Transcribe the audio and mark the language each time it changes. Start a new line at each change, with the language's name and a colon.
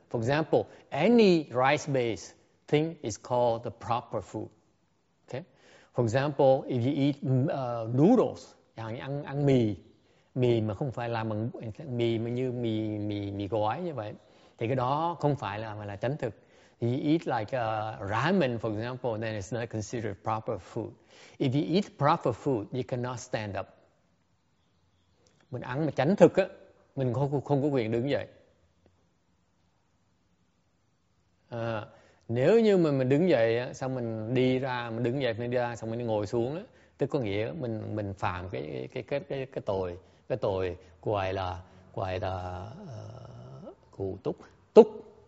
English: For example, any rice-based thing is called the proper food, okay. For example, if you eat noodles.
Vietnamese: Ăn mì mà không phải làm bằng mì mà như mì gói như vậy thì cái đó không phải là mà là chánh thực.
English: If you eat like ramen, for example, then it's not considered proper food. If you eat proper food, you cannot stand up.
Vietnamese: Mình ăn mà chánh thực á, mình không có quyền đứng dậy. Nếu như mình đứng dậy xong mình đi ra, mình đứng dậy mình đi ra xong mình ngồi xuống á, tức có nghĩa mình phạm cái tội gọi là cụ túc thực.